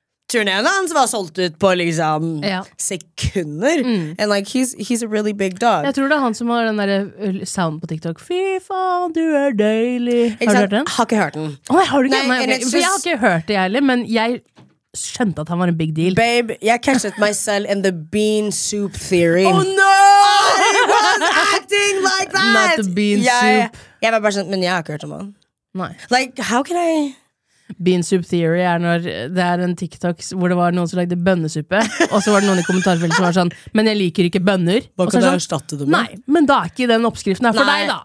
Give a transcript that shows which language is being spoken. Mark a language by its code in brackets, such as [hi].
[no] Turnéen hans var solgt ut på liksom sekunder. [en] And like he's a really big dog. [no] Jeg tror det er han som har den der sound på TikTok. Fy faen, du er deilig. Har du hørt den? Har ikke hørt den. Nei, har du ikke? Nei, jeg har ikke hørt det heller, men jeg skjønte at han var en [en] big deal. Babe, [no] jeg [en] catched myself in the bean soup theory. Oh no! I was acting like that. Not the bean soup. [no] Jeg var bare sånn, men jeg har ikke hørt om han. Nei. [en] Like, how can I... [no] Bean soup theory er når det er en TikTok hvor det var noen som lagde bønnesuppe, og så var det noen i kommentarfeltet som var sånn, men jeg liker ikke bønner. Hva kan du erstatte dem med? Nei, men da er ikke den oppskriften her for deg da.